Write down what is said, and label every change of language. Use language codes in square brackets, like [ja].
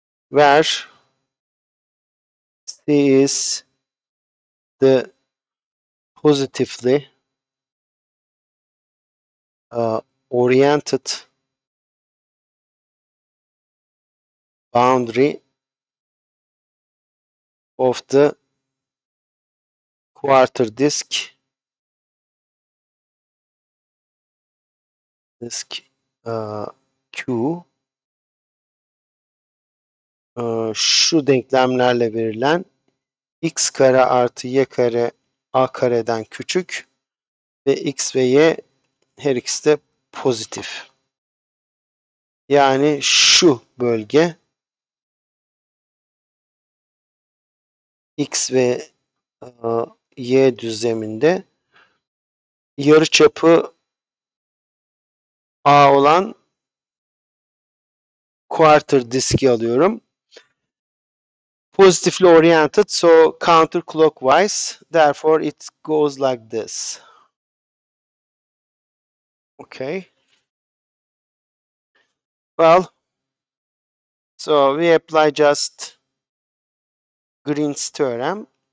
[en] Where c is the positively oriented boundary of the quarter disk Q. [tr] Şu denklemlerle verilen x kare artı y kare a kareden küçük ve x ve y her ikisi de pozitif. Yani şu bölge x ve y düzleminde yarıçapı a olan quarter diski alıyorum. [en] Positively oriented, so counterclockwise. Therefore, it goes like this. Okay. Well, so we apply just Green's theorem.